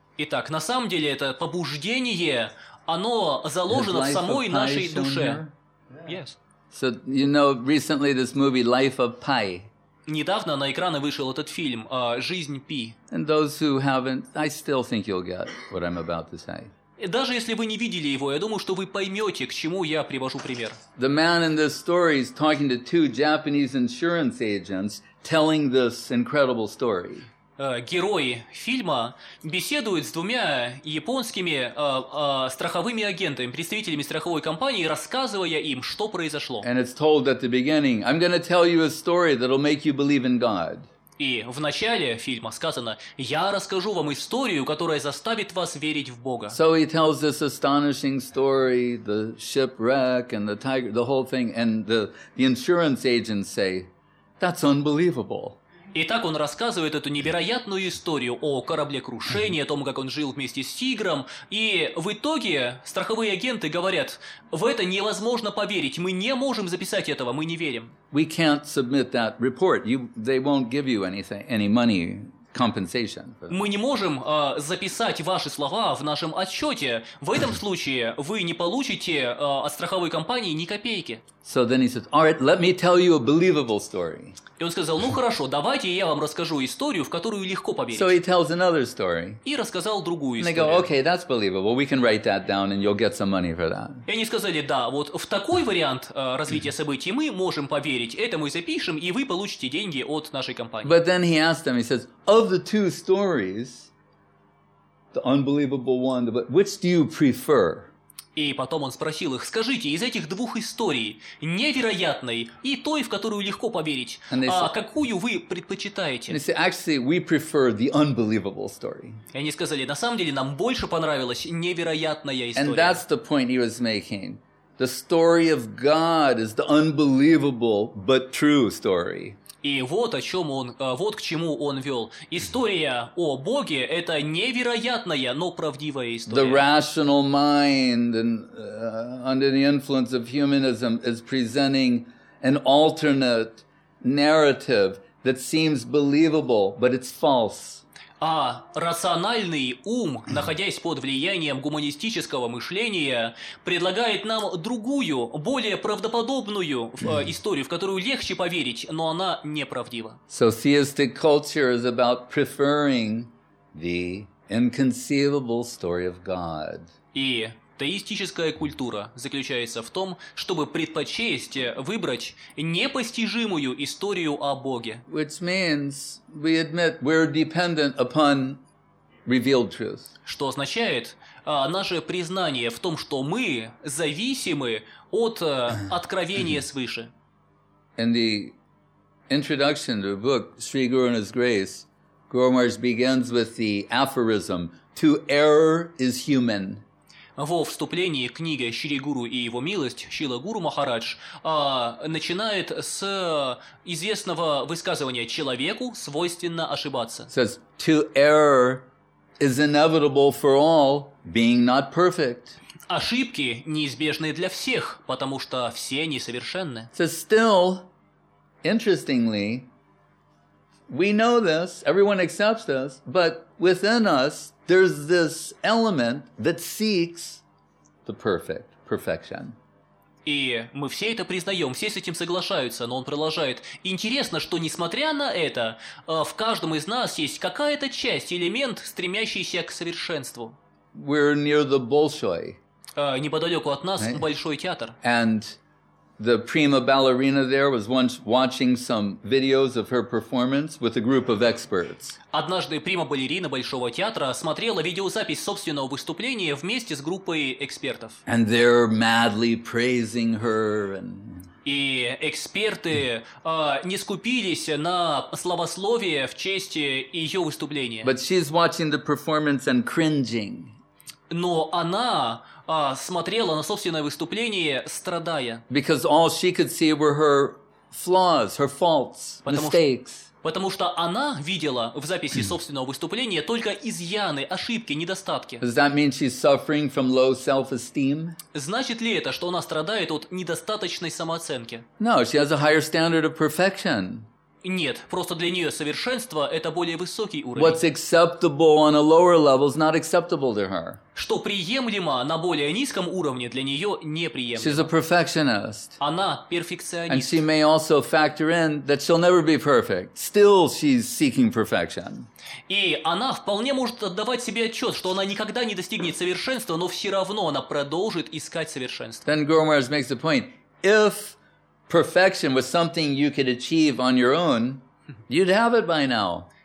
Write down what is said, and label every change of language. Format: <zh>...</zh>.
<ru>Итак, на самом деле это побуждение... Оно заложено в самой нашей душе.</ru> <en>Yes. So, you know, recently this movie Life of Pi.</en> <ru>Недавно на экраны вышел этот фильм «Жизнь Пи».</ru> <en>And those who haven't, I still think you'll get what I'm about to say.</en> <ru>Даже если вы не видели его, я думаю, что вы поймете, к чему я привожу пример.</ru> <en>The man in this story is talking to two Japanese insurance agents, telling this incredible story.</en> <ru>Герой фильма беседует с двумя японскими страховыми агентами, представителями страховой компании, рассказывая им, что произошло.</ru> <en>And it's told at the beginning, I'm going to tell you a story that'll make you believe in God.</en> <ru>И в начале фильма сказано, я расскажу вам историю, которая заставит вас верить в Бога.</ru> <en>So he tells this astonishing story, the shipwreck and the tiger, the whole thing, and the insurance agents say, that's unbelievable.</en> <ru>И так он рассказывает эту невероятную историю о кораблекрушении, о том, как он жил вместе с тигром. И в итоге страховые агенты говорят, в это невозможно поверить, мы не можем записать этого, мы не верим.</ru> <en>We can't submit that report. They won't give you any money compensation.</en> <ru>Мы не можем записать ваши слова в нашем отчете. В этом случае вы не получите от страховой компании ни копейки.</ru> <en>So then he said, all right, let me tell you a believable story.</en> <ru>И он сказал, ну хорошо, давайте я вам расскажу историю, в которую легко поверить.</ru> <en>So he tells another story.</en> <ru>И рассказал другую историю.</ru> <en>And they go, okay, that's believable. We can write that down and you'll get some money for that.</en> <ru>И они сказали, да, вот в такой вариант развития событий мы можем поверить. Это мы запишем, и вы получите деньги от нашей компании.</ru> <en>But then he asked them, he says, of the two stories, the unbelievable one, which do you prefer?</en> <ru>И потом он спросил их, скажите, из этих двух историй, невероятной и той, в которую легко поверить, какую вы предпочитаете?</ru> <en>They say, actually, we prefer the unbelievable story.</en> <ru>И они сказали, на самом деле, нам больше понравилась невероятная история.</ru> <en>And that's the point he was making. The story of God is the unbelievable but true story.</en> <ru>И вот о чем он, вот к чему он вел. История о Боге – это невероятная, но правдивая история.</ru> <en>The rational mind, and, under the influence of humanism, is presenting an alternate narrative that seems believable, but it's false.</en> <ru>А рациональный ум, находясь под влиянием гуманистического мышления, предлагает нам другую, более правдоподобную историю, в которую легче поверить, но она неправдива.</ru> <en>So theistic culture is about preferring the inconceivable story of God.</en> <ru>И теистическая культура заключается в том, чтобы предпочесть выбрать непостижимую историю о Боге.</ru> <en>Which means we admit we're dependent upon revealed truth.</en> <ru>Что означает наше признание в том, что мы зависимы от откровения свыше.</ru> <en>In the introduction to the book Sri Guru and His Grace, Guru Maharaj begins with the aphorism, "To err is human."</en> <ru>Во вступлении книги «Шри Гуру и его милость» Шрила Гуру Махарадж начинает с известного высказывания «Человеку свойственно ошибаться».</ru> <en>Says, to err is inevitable for all, being not perfect.</en> <ru>Ошибки неизбежны для всех, потому что все несовершенны.</ru> <en>Says, still, interestingly, We know this, everyone accepts this, but within us, there's this element that seeks the perfect, perfection.</en> <ru>И мы все это признаем, все с этим соглашаются, но он продолжает. Интересно, что несмотря на это, в каждом из нас есть какая-то часть, элемент, стремящийся к совершенству.</ru> <en>We're near the Bolshoi.</en> <ru>Неподалеку от нас</ru> <en>right?</en> <ru>Большой театр.</ru> <en>And the prima ballerina there was once watching some videos of her performance with a group of experts.</en> <ru>Однажды прима-балерина Большого театра смотрела видеозапись собственного выступления вместе с группой экспертов.</ru> <en>And they're madly praising her. And...</en> <ru>И эксперты не скупились на словословие в честь ее выступления.</ru> <en>But she's watching the performance and cringing.</en> <ru>Но она... смотрела на собственное выступление, страдая.</ru> <en>Because all she could see were her flaws, her faults, mistakes.</en> <ru>Потому что она видела в записи собственного выступления только изъяны, ошибки, недостатки.</ru> <en>Does that mean she's suffering from low self-esteem?</en> <ru>Значит ли это, что она страдает от недостаточной самооценки?</ru> <en>No, she has a higher standard of perfection.</en> <ru>Нет, просто для нее совершенство – это более высокий уровень.</ru> <en>What's acceptable on a lower level is not acceptable to her.</en> <ru>Что приемлемо на более низком уровне, для нее неприемлемо.</ru> <en>She's a perfectionist.</en> <ru>Она перфекционист.</ru> <en>And she may also factor in that she'll never be perfect. Still, she's seeking perfection.</en> <ru>И она вполне может отдавать себе отчет, что она никогда не достигнет совершенства, но все равно она продолжит искать совершенство.</ru> <en>Then Gormaz makes the point, if... perfection was something you could achieve on your own, you'd have it by now.</en>